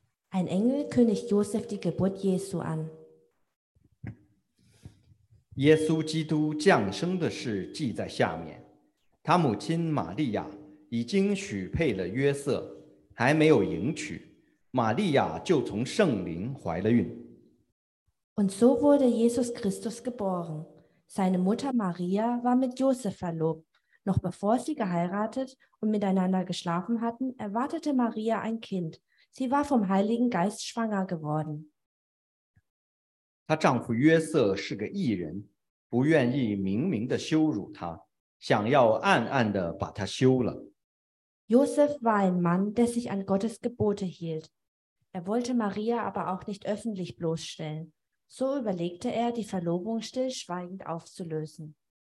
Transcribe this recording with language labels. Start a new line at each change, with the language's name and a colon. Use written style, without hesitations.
German: Ein Engel kündigt Josef die Geburt Jesu an.
Chinese: 耶稣基督降生的事记在下面。他母亲玛利亚已经许配了约瑟，还没有迎娶，玛利亚就从圣灵怀了孕。
German: Und so wurde Jesus Christus geboren. Seine Mutter Maria war mit Josef verlobt. Noch bevor sie geheiratet und miteinander geschlafen hatten, erwartete Maria ein Kind. Sie war vom Heiligen Geist schwanger geworden.
Chinese: 她丈夫约瑟是个义人，不愿意明明地羞辱她，想要暗暗地把她休了。
German: Josef war ein Mann, der sich an Gottes Gebote hielt. Er wollte Maria aber auch nicht öffentlich bloßstellen. So überlegte er, die Verlobung stillschweigend aufzulösen.